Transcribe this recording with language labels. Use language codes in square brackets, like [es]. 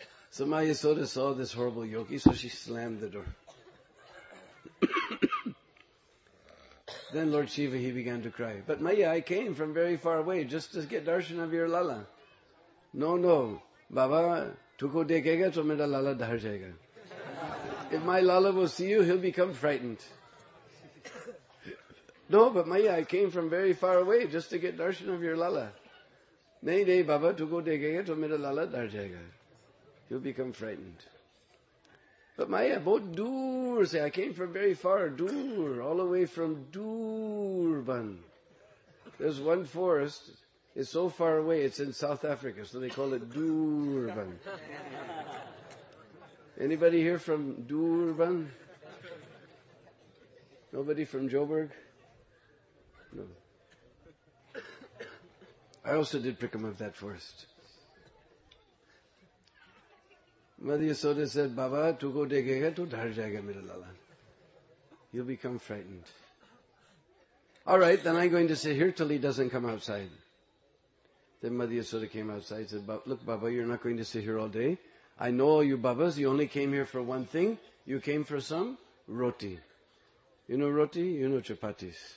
[en] So Maya Yasoda saw this horrible yogi, so she slammed the door. Then Lord Shiva, he began to cry. But Maya, I came from very far away just to get darshan of your lala. No, no. [hi] बाबा, तुको देखेगा तो मेरा लाला धर जायेगा। [en] If my lala will see you, he'll become frightened. No, but Maya, I came from very far away just to get darshan of your lala. [hi] Nay, nay, Baba, tuko dekhega to mera lala dhar jayega. [en] He'll become frightened. But Maya, both dur, say, I came from very far, dur, all the way from Durban. There's one forest, it's so far away, it's in South Africa, so they call it Durban. Anybody here from Durban? Nobody from Joburg? No. I also did pick him up that forest. Mother Yasoda said, [hi] बाबा, तु को देखेगा तो धर जायेगा मेरा लाला। [en] You'll become frightened. Alright, then I'm going to sit here till he doesn't come outside. Then Mother Yasoda came outside and said, look, Baba, you're not going to sit here all day. I know all you Babas, you only came here for one thing. You came for some roti. You know roti? You know chapatis.